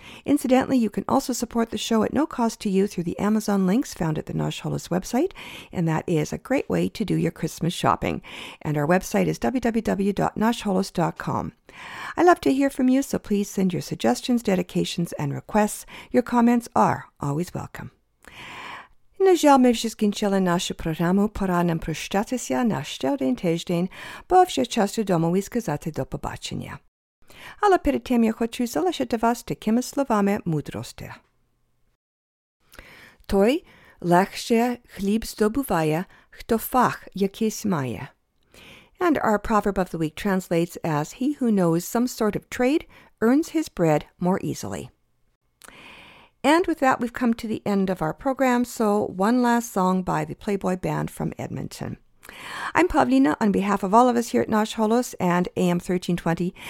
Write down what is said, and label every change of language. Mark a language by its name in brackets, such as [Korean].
[English] Incidentally, you can also support the show at no cost to you through the Amazon links found at the Nash Holos website, and that is a great way to do your Christmas shopping. And our website is www.nashholos.com. I love to hear from you, so please send your suggestions, dedications, and requests. Your comments are always welcome. [Ukrainian] На жаль, ми вже скінчили нашу програму. Пора нам прощатися на ще один тиждень, бо вже час додому і сказати до побачення. Але перед тим я хочу залишити вас такими словами мудрості. Той легше хліб здобуває, хто фах якийсь має. [English] And our proverb of the week translates as, he who knows some sort of trade earns his bread more easily. And with that, we've come to the end of our program. So one last song by the Playboy Band from Edmonton. I'm Pavlina on behalf of all of us here at Nash Holos and AM 1320.